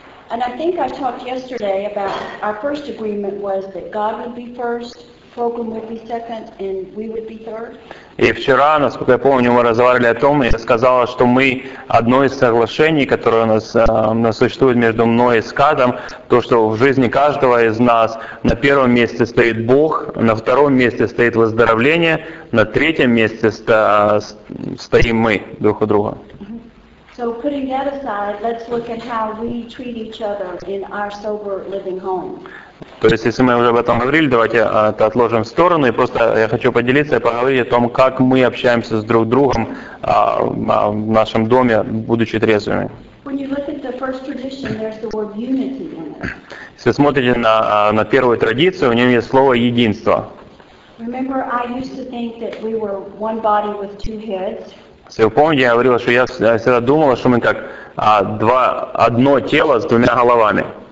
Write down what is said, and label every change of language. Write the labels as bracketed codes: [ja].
[en] And I think I talked yesterday about our first agreement was that God would be first, program would be second, and we would be third. [ru] И вчера, насколько я помню, мы разговаривали о том, и я сказала, что мы одно из соглашений, которое у нас существует между мной и Скадом, то, что в жизни каждого из нас на первом месте стоит Бог, на втором месте стоит выздоровление, на третьем месте стоим мы друг у друга. [en] So putting that aside, let's look at how we treat each other in our sober living home. [ru] То есть, если мы уже об этом говорили, давайте это отложим в сторону, и просто я хочу поделиться и поговорить о том, как мы общаемся с друг другом в нашем доме, будучи трезвыми. [en] When you look at the first tradition, there's the word unity in it. [ru] Если смотрите на первую традицию, у нее есть слово «единство». [en] Remember, I used to think that we were one body with two heads. [ru] Если вы помните, я говорила, что я всегда думала, что мы как одно тело с двумя головами.